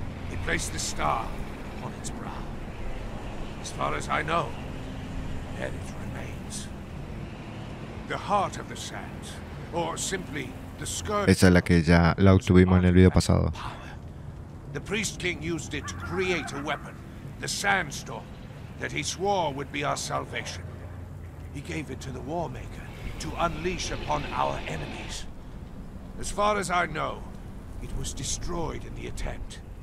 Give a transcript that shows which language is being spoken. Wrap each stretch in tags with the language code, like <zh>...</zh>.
<en>He placed the star on its brow. As far as I know, there it remains. The heart of the sands, or simply the scourge.</en> <es>Esa es la que ya la obtuvimos en el video pasado.</es> <en>The priest king used it to create a weapon, the sandstorm, that he swore would be our salvation. He gave it to the war maker to unleash upon our enemies. As far as I know, it was destroyed in the attempt.</en>